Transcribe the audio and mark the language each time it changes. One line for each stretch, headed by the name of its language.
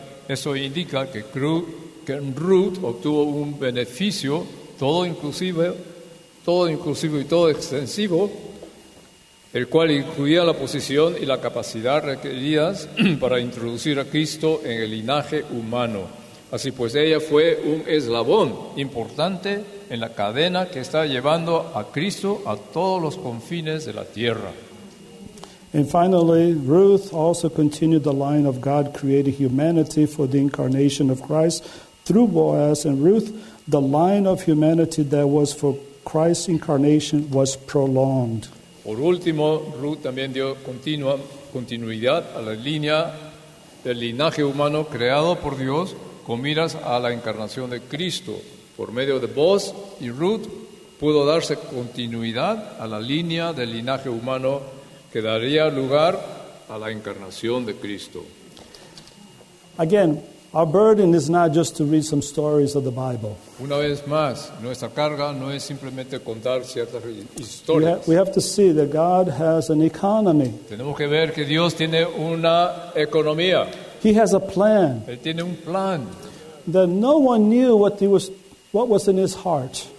Spanish: Esto indica que Ruth obtuvo un beneficio todo inclusivo y todo extensivo, el cual incluía la posición y la capacidad requeridas para introducir a Cristo en el linaje humano. Así pues, ella fue un eslabón importante en la cadena que está llevando a Cristo a todos los confines de la tierra.
English: And finally, Ruth also continued the line of God creating humanity for the incarnation of Christ through Boaz. And Ruth, the line of humanity that was for Christ's incarnation was prolonged.
Spanish: Por último, Ruth también dio continuidad a la línea del linaje humano creado por Dios con miras a la encarnación de Cristo. Por medio de Boaz y Ruth pudo darse continuidad a la línea del linaje humano que daría lugar a la encarnación de Cristo.
English: Again, our burden is not just to read some stories of the Bible.
Spanish: Una vez más, nuestra carga no es simplemente contar ciertas historias.
English: We have to see that God has an economy.
Spanish: Tenemos que ver que Dios tiene una economía.
English: He has a plan.
Spanish: Él tiene un plan.
English: That no one knew what was in his heart.